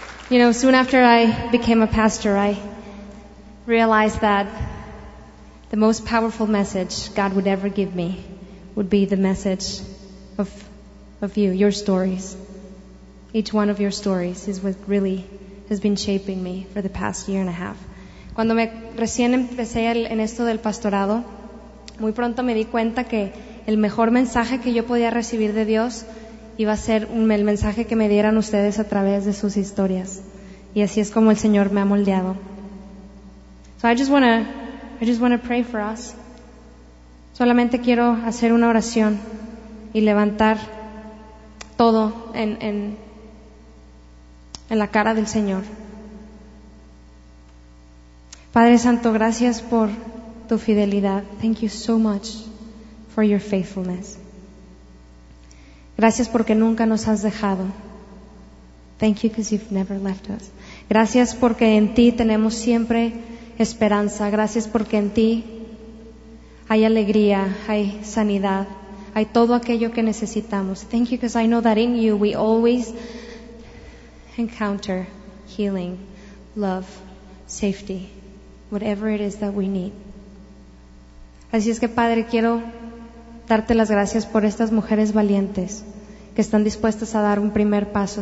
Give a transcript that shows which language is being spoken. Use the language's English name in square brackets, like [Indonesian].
[English] You know, soon after I became a pastor, I realized that the most powerful message God would ever give me would be the message of you, your stories. Each one of your stories is what really has been shaping me for the past year and a half. [Spanish] Cuando recién empecé en esto del pastorado, muy pronto me di cuenta que el mejor mensaje que yo podía recibir de Dios iba a ser el mensaje que me dieran ustedes a través de sus historias. Y así es como el Señor me ha moldeado. [English] So I just want to pray for us. [Spanish] Solamente quiero hacer una oración y levantar todo en la cara del Señor. Padre Santo, gracias por tu fidelidad. [English] Thank you so much for your faithfulness. [Spanish] Gracias porque nunca nos has dejado. [English] Thank you because you've never left us. [Spanish] Gracias porque en ti tenemos siempre esperanza. Gracias porque en ti hay alegría, hay sanidad, hay todo aquello que necesitamos. [English] Thank you because I know that in you we always encounter healing, love, safety, whatever it is that we need. [Spanish] Así es que, Padre, quiero darte las gracias por estas mujeres valientes que están dispuestas a dar un primer paso.